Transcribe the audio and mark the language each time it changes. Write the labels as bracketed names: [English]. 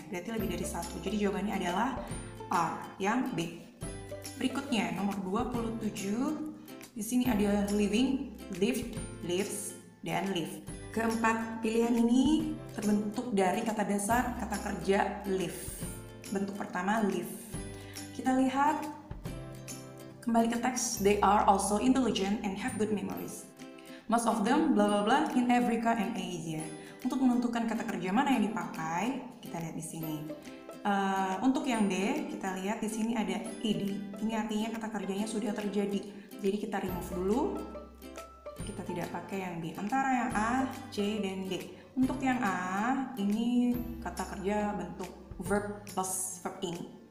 [Indonesian] Berarti lebih dari satu. Jadi jawabannya adalah are, yang B. Berikutnya, nomor 27. Di sini ada living, lived, lives, dan live. Keempat pilihan ini terbentuk dari kata dasar kata kerja live. Bentuk pertama live. Kita lihat kembali ke teks, [English] they are also intelligent and have good memories. Most of them blah blah blah in Africa and Asia. [Indonesian] Untuk menentukan kata kerja mana yang dipakai, kita lihat di sini. Untuk yang D, kita lihat di sini ada ed. Ini artinya kata kerjanya sudah terjadi. Jadi kita remove dulu. Kita tidak pakai yang B. Antara yang A, C, dan D. Untuk yang A, ini kata kerja bentuk verb plus verb-ing.